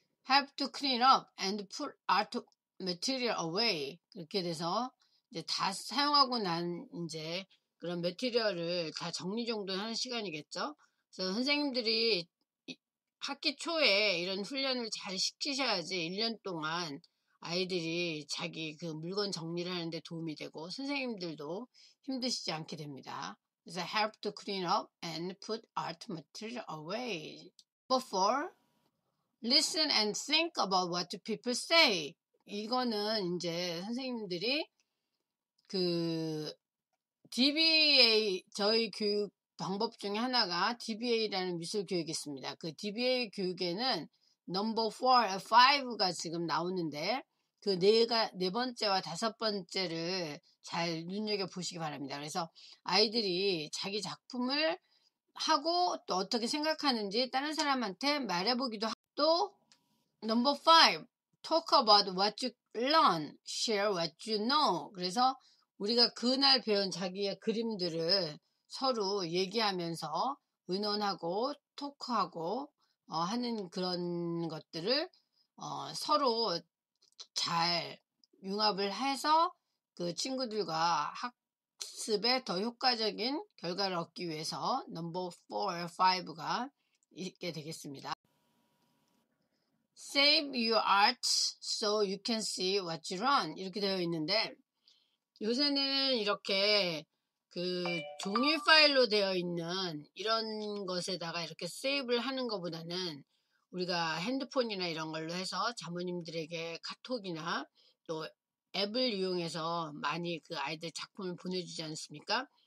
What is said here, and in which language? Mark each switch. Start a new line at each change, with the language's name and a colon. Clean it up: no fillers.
English: Help to clean up and put art material away.
Korean: 그렇게 돼서 이제 다 사용하고 난 이제 그런 매티리얼을 다 정리정돈하는 시간이겠죠. 그래서 선생님들이 학기 초에 이런 훈련을 잘 시키셔야지 1년 동안 아이들이 자기 그 물건 정리를 하는 데 도움이 되고 선생님들도 힘드시지 않게 됩니다.
English: So help to clean up and put art material away. Before, listen and think about what people say.
Korean: 이거는 이제 선생님들이 그 DBA 저희 교육 방법 중에 하나가 DBA라는 미술 교육이 있습니다. 그 DBA 교육에는 number four, five가 지금 나오는데 그 네 번째와 다섯 번째를 잘 눈여겨보시기 바랍니다. 그래서 아이들이 자기 작품을 하고 또 어떻게 생각하는지 다른 사람한테 말해보기도 하고 또 number five,
English: talk about what you learn, share what you know.
Korean: 그래서 우리가 그날 배운 자기의 그림들을 서로 얘기하면서 의논하고 토크하고 하는 그런 것들을 서로 잘 융합을 해서 그 친구들과 학습에 더 효과적인 결과를 얻기 위해서 넘버 4, 5가 있게 되겠습니다.
English: Save your art so you can see what you run.
Korean: 이렇게 되어 있는데 요새는 이렇게 그 종이 파일로 되어 있는 이런 것에다가 이렇게 세이브를 하는 것보다는 우리가 핸드폰이나 이런 걸로 해서 자모님들에게 카톡이나 또 앱을 이용해서 많이 그 아이들 작품을 보내주지 않습니까?